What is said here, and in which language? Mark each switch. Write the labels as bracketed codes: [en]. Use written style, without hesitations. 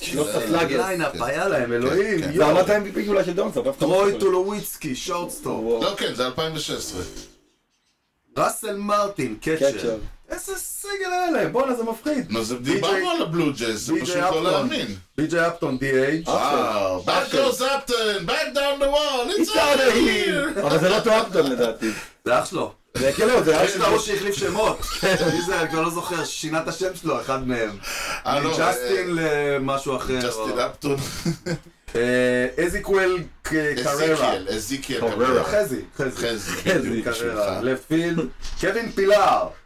[he] שלוש פלאגרס. ליינה, פעיה להם, אלוהים. זה עמד ה-MVP אולי של דונלדסון. רוי טולוויצקי, שורטסטופ. לא, כן, זה 2016. ראסל מרטין, קצ'ר. איזה סגל היה להם, בואנה זה מפחיד. נו, זה דיברנו על הבלו ג'אז, זה פשוט לא להאמין. בי ג'י אפטון, די אייג'. [en] וואו, back goes Upton, back down the wall, it's out of here. [he] אבל זה לא אותו אפטון לדעתי. זה אח שלו. זה כאילו, זה אח שלו שהחליף שמות. מי זה, אני לא זוכר, שינה את השם שלו, אחד מהם. ג'סטין למשהו אחר. ג'סטין אפטון. אזיקואל קררה. אזיקואל קררה. חזי קררה. לפיל, קווין פילאר.